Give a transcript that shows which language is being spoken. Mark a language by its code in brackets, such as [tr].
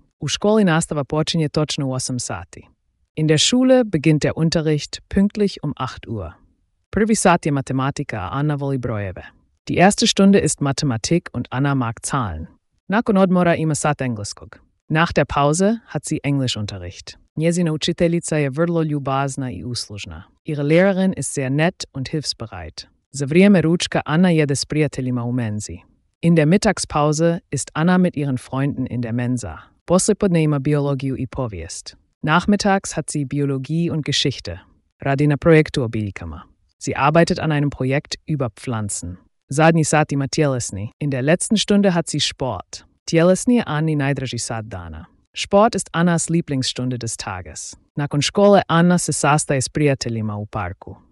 [hr] U školi nastava počinje točno u 8 sati. [de] In der Schule beginnt der Unterricht pünktlich um 8 Uhr. [hr] Prvi sat je matematika, a Anna voli brojeve. [de] Die erste Stunde ist Mathematik und Anna mag Zahlen. [hr] Nakon odmora ima sat engleskog. [de] Nach der Pause hat sie Englischunterricht. [hr] Njezina učiteljica je vrlo ljubazna i uslužna. [de] Ihre Lehrerin ist sehr nett und hilfsbereit. [hr] Za vrijeme ručka Anna jede s prijateljima u menzi. [de] In der Mittagspause ist Anna mit ihren Freunden in der Mensa. [hr] Poslijepodne ima biologiju i povijest. [de] Nachmittags hat sie Biologie und Geschichte. [hr] Radi na projektu o biljkama. [de] Sie arbeitet an einem Projekt über Pflanzen. [hr] Zadnji sat ima tjelesni. [de] In der letzten Stunde hat sie Sport. [hr] Tjelesni je Anni najdraži sat dana. [de] Sport ist Annas Lieblingsstunde des Tages. [hr] Nakon škole Anna se sastaje s prijateljima u parku.